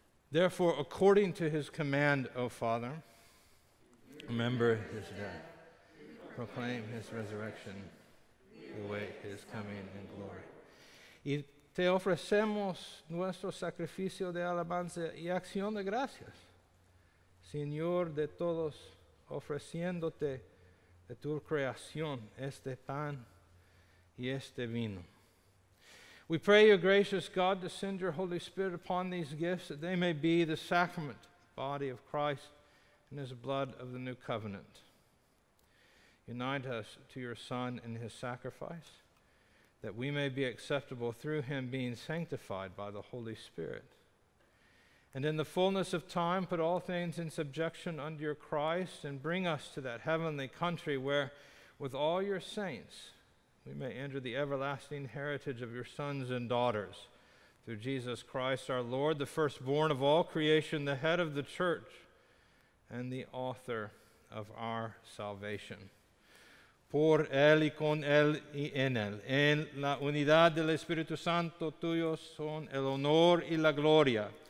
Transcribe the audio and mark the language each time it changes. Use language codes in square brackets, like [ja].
[en] Therefore, according to his command, O Father, remember his death, proclaim his resurrection, await his coming in glory. [es] Y te ofrecemos nuestro sacrificio de alabanza y acción de gracias, Señor de todos, ofreciéndote de tu creación este pan y este vino. [en] We pray, your gracious God, to send your Holy Spirit upon these gifts that they may be the sacrament, body of Christ, and his blood of the new covenant. Unite us to your Son in his sacrifice, that we may be acceptable through him being sanctified by the Holy Spirit. And in the fullness of time, put all things in subjection under your Christ and bring us to that heavenly country where, with all your saints, we may enter the everlasting heritage of your sons and daughters. Through Jesus Christ, our Lord, the firstborn of all creation, the head of the church, and the author of our salvation. [es] Por él y con él y en él, en la unidad del Espíritu Santo, tuyo son el honor y la gloria.